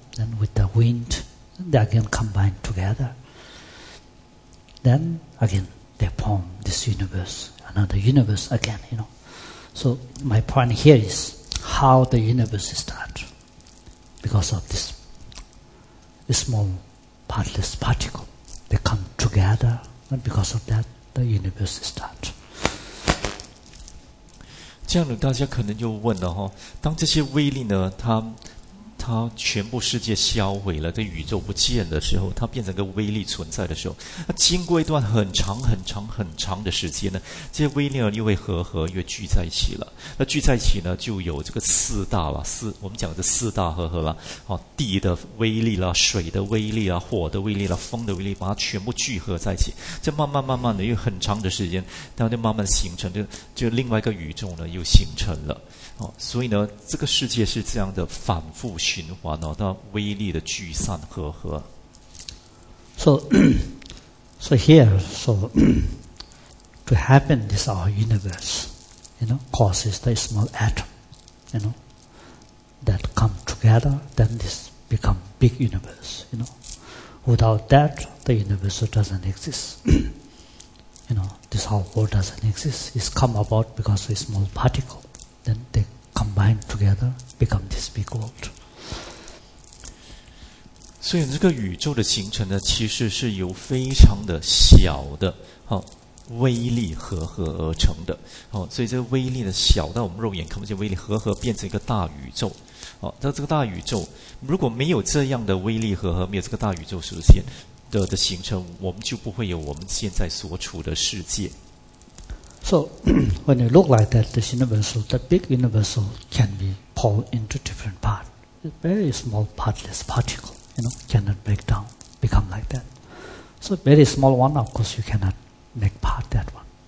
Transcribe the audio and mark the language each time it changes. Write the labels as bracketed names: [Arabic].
[English] Then with the wind, they again combine together. Then again, they form this universe, another universe again, you know. So my point here is how the universe starts because of this small, partless particle. They come together, and because of that, the universe starts. [Chinese] 这样的大家可能就问了，当这些微粒呢 它全部世界销毁了，这宇宙不见的时候，它变成个微粒存在的时候，它经过一段很长很长很长的时间呢，这些微粒又会合又聚在一起了，那聚在一起呢就有这个四大了，我们讲的四大合了，地的微粒了，水的微粒了，火的微粒了，风的微粒，把它全部聚合在一起，这慢慢慢慢的又很长的时间，它就慢慢形成，就另外一个宇宙呢又形成了。哦，所以呢，这个世界是这样的反复循环哦，到微粒的聚散合。 [English] So here, so to happen this our universe, you know, causes the small atom, you know, that come together, then this become big universe, you know. Without that, the universe doesn't exist. You know, this whole world doesn't exist. It's come about because of a small particle, then they. Combined together, become this big world. [Chinese] 所以这个宇宙的形成呢，其实是由非常的小的微粒合而成的。所以这个微粒呢，小到我们肉眼看不见，微粒合变成一个大宇宙。那这个大宇宙如果没有这样的微粒合，没有这个大宇宙实现的形成，我们就不会有我们现在所处的世界。 [English] So, when you look like that, this universal, the big universal can be pulled into different parts. It's a very small partless particle, you know, cannot break down, become like that. So, very small one, of course, you cannot make part that one.